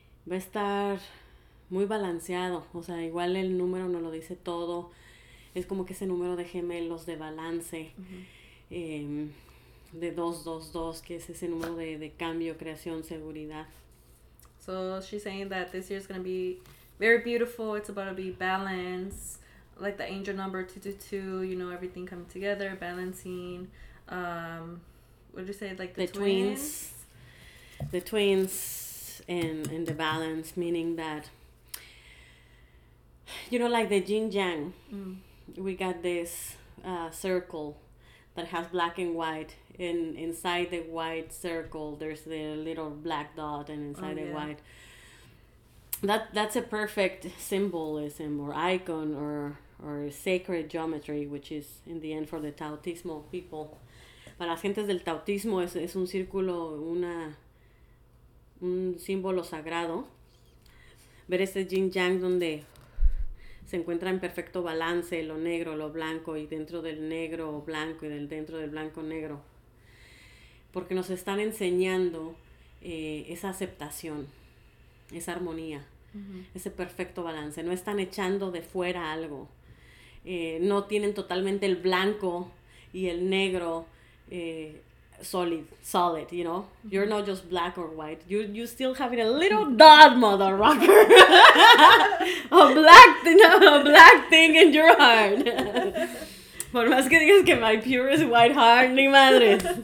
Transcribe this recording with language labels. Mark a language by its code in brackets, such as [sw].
[es] Va a estar muy balanceado. O sea, igual el número no lo dice todo. Es como que ese número de gemelos, de balance, uh-huh. De 222, que es ese número de cambio, creación, seguridad. [en] So she's saying that this year is going to be very beautiful. It's about to be balance, like the angel number 222, you know, everything coming together, balancing. What did you say? Like the twins and the balance, meaning that, you know, like the yin yang, we got this circle that has black and white, and inside the white circle there's the little black dot, and inside the white, That's a perfect symbolism or icon or sacred geometry, which is in the end for the tautismo people. [es] Para las gentes del tautismo es un círculo, un símbolo sagrado. Ver ese yin yang donde se encuentra en perfecto balance lo negro, lo blanco, y dentro del negro blanco y dentro del blanco negro. Porque nos están enseñando esa aceptación, esa armonía. Uh-huh. Ese perfecto balance, no están echando de fuera algo, no tienen totalmente el blanco y el negro [en] solid, you know, [es] uh-huh. [en] You're not just black or white, you still have a little dot, motherfucker, a black thing in your heart. [es] Por más que digas que [en] my purest white heart, [es] ni madre.